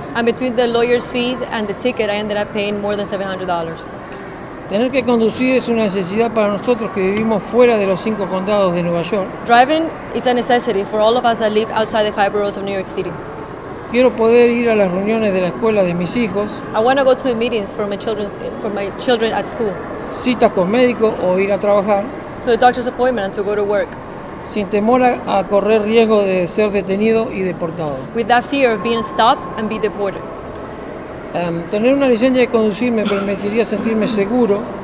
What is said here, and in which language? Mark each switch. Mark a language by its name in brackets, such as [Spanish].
[English] And between the lawyer's fees and the ticket, I ended up paying more than $700. [Spanish] Tener que conducir es una necesidad para nosotros que vivimos fuera de los cinco condados de Nueva York. [English] Driving is a necessity for all of us that live outside the five boroughs of New York City. [Spanish] Quiero poder ir a las reuniones de la escuela de mis hijos. [English] I want to go to the meetings for my children at school. [Spanish] Citas con médico o ir a trabajar. [English] To the doctor's appointment and to go to work. [Spanish] Sin temor a correr riesgo de ser detenido y deportado. [English] With that fear of being stopped and be deported. [Spanish] Tener una licencia de conducir me permitiría sentirme seguro.